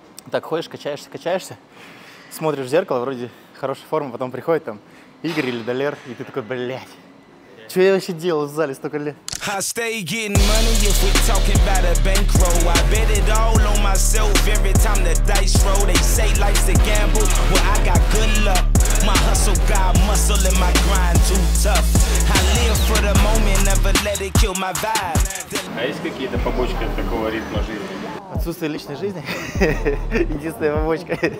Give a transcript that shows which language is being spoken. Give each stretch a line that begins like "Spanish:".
Russian: Так ходишь, качаешься, качаешься, смотришь в зеркало, вроде хорошая форма, потом приходит там Игорь или Долер, и ты такой, блядь, что я вообще делал в зале столько лет?
English: I stay getting money, if we talking about a bankroll. I bet it all on myself every time the dice roll. They say life's a gamble, well I got good luck. My hustle got muscle and my grind too tough. I live for the moment, never let it kill my vibe.
Russian: А есть какие-то побочки от такого ритма жизни? Отсутствие личной жизни. Единственная побочка.